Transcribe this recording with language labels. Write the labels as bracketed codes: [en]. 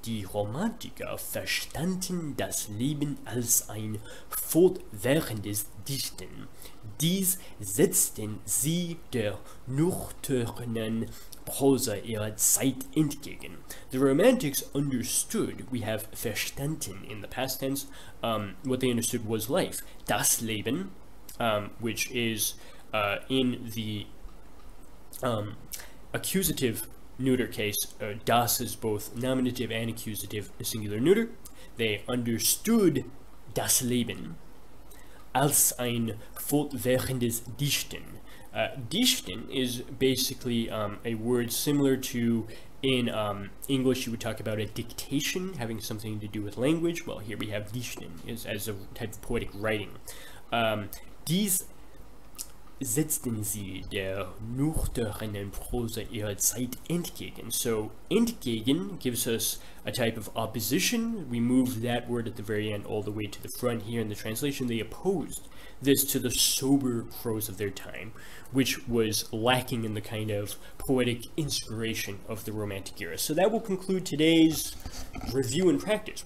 [de] Die Romantiker verstanden das Leben als ein fortwährendes Dichten. Dies setzten sie der nüchternen Prosa ihrer Zeit entgegen. [en] The Romantics understood, we have verstanden in the past tense, what they understood was life. Das Leben, which is in the accusative neuter case, das is both nominative and accusative singular neuter. They understood das Leben als ein fortwährendes Dichten. Dichten is basically a word similar to, in English you would talk about a dictation having something to do with language. Well, here we have Dichten is as a type of poetic writing. [de] Dies setzten sie der nüchternen Prosa ihrer Zeit entgegen. [en] So, entgegen gives us a type of opposition. We move that word at the very end all the way to the front here in the translation. They opposed this to the sober prose of their time, which was lacking in the kind of poetic inspiration of the Romantic era. So that will conclude today's review and practice.